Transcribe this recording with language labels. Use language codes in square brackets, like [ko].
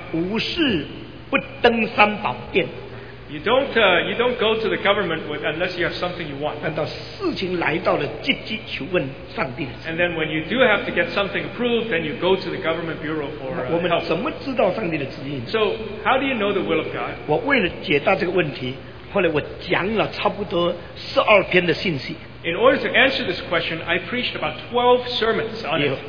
[zh] 无事不登三宝殿。 [en] You don't go to the government unless you have something you want. And then when you do have to get something approved, then you go to the government bureau for help. So how do you know the will of God? [zh] 我为了解答这个问题，后来我讲了差不多12篇的信息。 [en] In order to answer this question, I preached about 12 sermons on it.